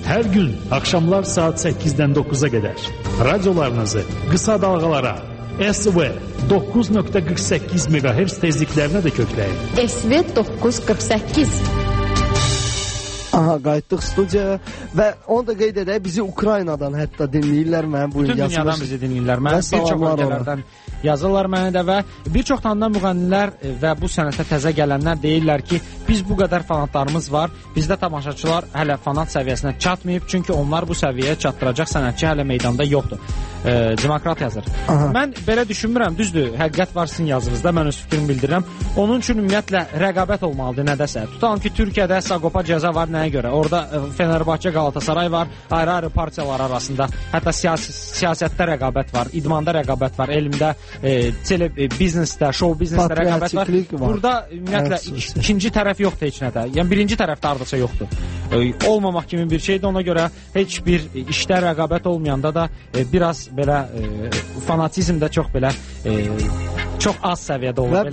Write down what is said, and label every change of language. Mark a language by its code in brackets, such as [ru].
[tr] Her gün akşamlar saat 8'den 9'a kadar. Radyolarınızı kısa dalgalara SV 9.48 MHz tezliklerine de kökleyin. SV 948. [az] Aha, qayıtdıq studiyaya və onu da qeyd edək, bizi Ukraynadan hətta dinləyirlər mənim bu yazılar. Bütün dünyadan yazılır. Bizi dinləyirlər mənim, bir çox ölkələrdən yazırlar mənə də və bir çox tanınan müğənnilər və bu sənətə təzə gələnlər deyirlər ki, biz bu qədər fanatlarımız var, bizdə tamaşaçılar hələ fanat səviyyəsinə çatmayıb, çünki onlar bu səviyyəyə çatdıracaq sənətçi hələ meydanda yoxdur. Demokrat yazır. Aha. Mən belə düşünmürəm, düzdür, həqiqət var sizin yazınızda, mən öz fikrimi bildirirəm. Onun üçün ümumiyyətlə rəqabət olmalıdır nədəsə. Tutalım ki, Türkiyədə Sagopa cəza var nəyə görə? Orada Fenerbahçe, Galatasaray var, ayrı-ayrı partiyalar arasında. Hətta siyasətdə rəqabət var, idmanda rəqabət var, elmdə, biznesdə, şov biznesdə rəqabət var. Burada ümumiyyətlə ikinci tərəf yoxdur heç nədə. Yəni birinci tərəfdə ardınca yoxdur. Olmamaq kimi bir şeydir, ona görə heç bir işdə rəqabət olmayanda da biraz belə fanatizm də çox belə çox az səviyyədə olur